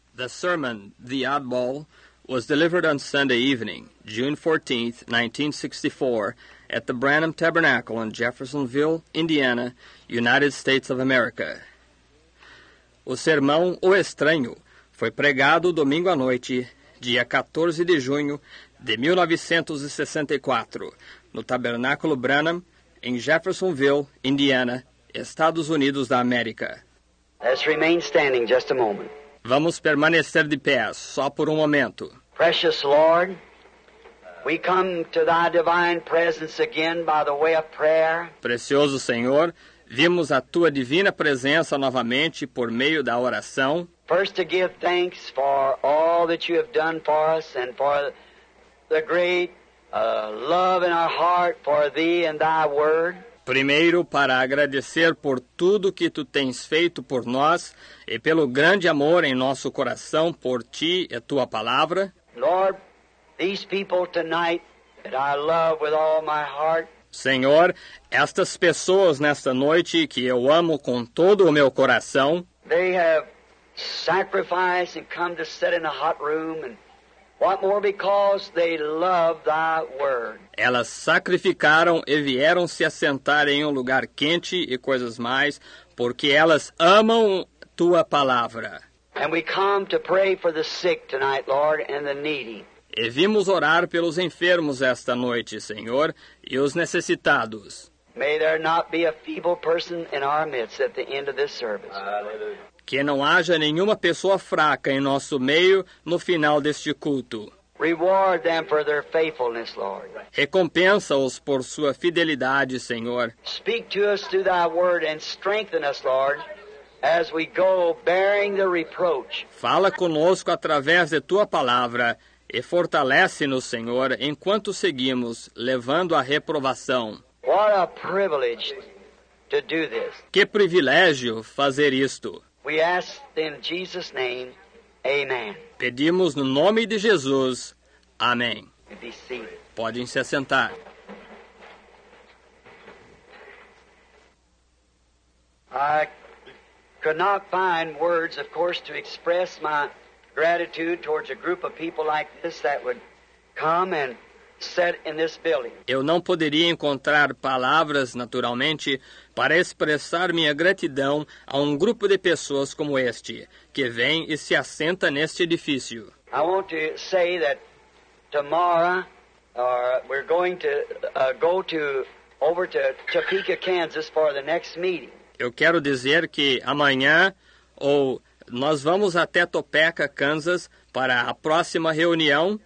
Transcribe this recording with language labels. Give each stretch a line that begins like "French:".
English: The sermon, The Oddball, was delivered on Sunday evening, June 14, 1964, at the Branham Tabernacle in Jeffersonville, Indiana, United States of America.
Portuguese: O sermão O Estranho foi pregado domingo à noite, dia 14 de junho de 1964, no Tabernáculo Branham, em Jeffersonville, Indiana, Estados Unidos da América.
English: Let's remain standing just a moment.
Portuguese: Vamos permanecer de pé, só por um momento.
English: Precious Lord, we come to thy divine presence again by the way of prayer.
Portuguese: Precioso Senhor, vimos a tua divina presença novamente por meio da oração.
English: First to give thanks for all that you have done for us and for the great love in our heart for thee and thy word.
Portuguese: Primeiro, para agradecer por tudo que tu tens feito por nós e pelo grande amor em nosso coração por ti e tua palavra.
English: Lord, these people tonight that I love with all my heart.
Portuguese: Senhor, estas pessoas nesta noite que eu amo com todo o meu coração.
English: They have sacrificed and come to sit in a hot room and what more because they love thy word.
Portuguese: Elas sacrificaram e vieram se assentar em um lugar quente e coisas mais, porque elas amam tua palavra.
English: And we come to pray for the sick tonight, Lord, and the needy.
Portuguese: E vimos orar pelos enfermos esta noite, Senhor, e os necessitados.
English: May there not be a feeble person in our midst at the end of this service. Hallelujah.
Portuguese: Que não haja nenhuma pessoa fraca em nosso meio no final deste culto.
English: Reward them for their faithfulness, Lord.
Portuguese: Recompensa-os por sua fidelidade, Senhor.
English: Speak to us through thy word and strengthen us, Lord, as we go bearing the reproach.
Portuguese: Fala conosco através de tua palavra e fortalece-nos, Senhor, enquanto seguimos levando a reprovação.
English: What a privilege to do this.
Portuguese: Que privilégio fazer isto.
English: We ask in Jesus' name, amen.
Portuguese: Pedimos no nome de Jesus, amém.
English: Be seated.
Portuguese: Podem se assentar.
English: I could not find words, of course, to express my gratitude towards a group of people like this that would come and sit in this building.
Portuguese: Eu não poderia encontrar palavras, naturalmente, para expressar minha gratidão a um grupo de pessoas como este, que vem e se assenta neste edifício.
English: I want to say that tomorrow we're going to go to over to Topeka, Kansas for the next meeting.
Portuguese: Eu quero dizer que amanhã ou nós vamos até Topeka, Kansas para a próxima reunião.